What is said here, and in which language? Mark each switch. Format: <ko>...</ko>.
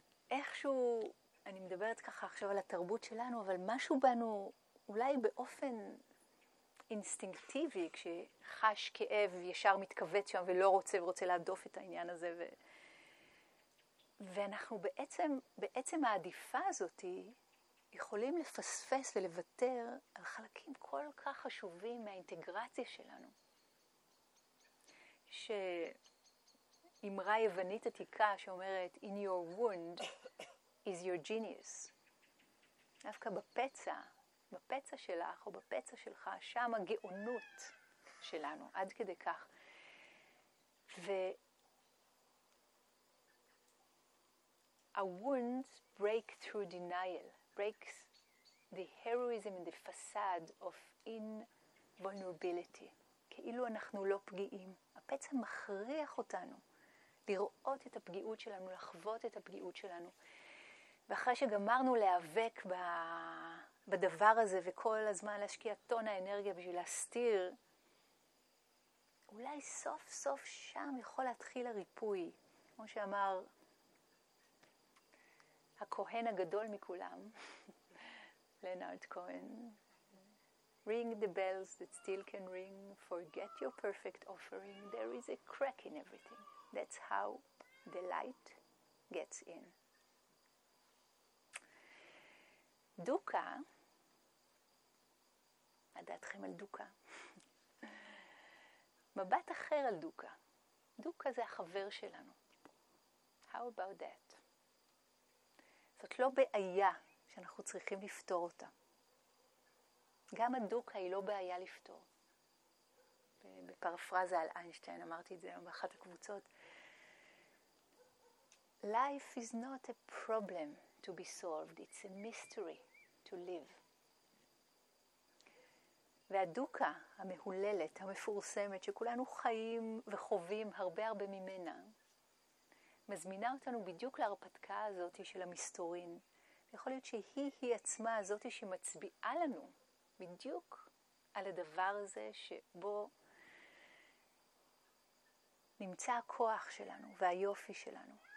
<he>ואיכשהו, אני מדברת ככה עכשיו על התרבות שלנו, אבל משהו בנו, אולי באופן אינסטינקטיבי, כשחש כאב ישר מתכווץ שם ולא רוצה ורוצה להדוף את העניין הזה, ואנחנו בעצם העדיפה הזאת יכולים לפספס ולוותר על חלקים כל כך חשובים מהאינטגרציה שלנו. שאמרה יוונית עתיקה שאומרת</he> <en>in your wound is your genius.</en> <he>דווקא בפצע שלך או בפצע שלך, שם הגאונות שלנו, עד כדי כך.</he> <en>A wound break through denial, breaks the heroism and the facade of invulnerability.</en> <he>כאילו אנחנו לא פגיעים. הפצע מכריח אותנו לראות את הפגיעות שלנו, לחוות את הפגיעות שלנו. ואחרי שגמרנו להיאבק בדבר הזה וכל הזמן להשקיע טון האנרגיה בשביל להסתיר, אולי סוף סוף שם יכול להתחיל הריפוי. כמו שאמר הכהן הגדול מכולם, לנארד כהן,</he> <en>ring the bells that still can ring, forget your perfect offering, there is a crack in everything. That's how the light gets in.</en> <he>דוקה, מה דעתכם על דוקה? מבט אחר על דוקה. דוקה זה החבר שלנו.</he> <en>How about that?</en> <he>זאת לא בעיה שאנחנו צריכים לפתור אותה. גם הדוקה היא לא בעיה לפתור. בפרפרזה על איינשטיין, אמרתי את זה באחת הקבוצות.</he> <en>Life is not a problem to be solved. It's a mystery to live.</en> <he>והדוקה המהוללת, המפורסמת, שכולנו חיים וחווים הרבה הרבה ממנה, מזמינה אותנו בדיוק להרפתקה הזאת של המסתורין. יכול להיות שהיא עצמה הזאת שמצביעה לנו בדיוק על הדבר הזה שבו נמצא הכוח שלנו והיופי שלנו.</he>